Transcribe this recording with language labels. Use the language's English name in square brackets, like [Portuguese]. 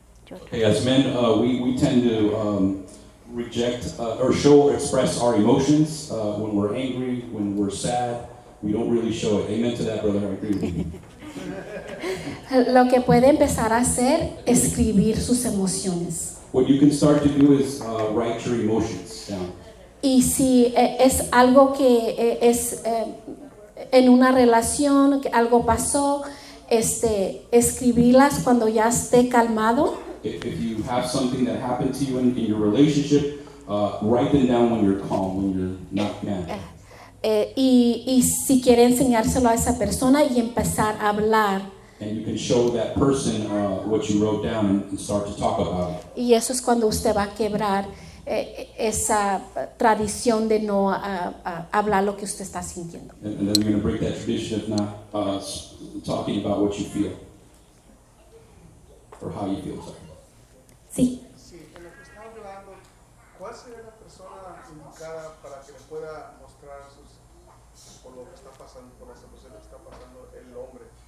[English] Okay, as men, we tend to reject or show or express our emotions when we're angry, when we're sad. We don't really show it. Amen to that, brother. I agree with you. [Spanish] Lo que puede empezar a hacer, escribir sus emociones. [English] What you can start to do is write your emotions down. [Spanish] Y si es algo que es en una relación, que algo pasó, escribirlas cuando ya esté calmado. [English] If you have something that happened to you in your relationship, Write them down when you're calm, when you're not panicked. [Spanish] Y si quiere enseñárselo a esa persona y empezar a hablar. [English] And you can show that person what you wrote down and start to talk about it. [Spanish] Y eso es cuando usted va a quebrar esa tradición de no hablar lo que usted está sintiendo. [English] And then you're going to break that tradition of not talking about what you feel. Or how you feel, sorry. [Spanish] Sí. Sí, en lo que está hablando, ¿cuál sería la persona indicada para que le pueda mostrar sus, por lo que está pasando, por la situación que está pasando el hombre?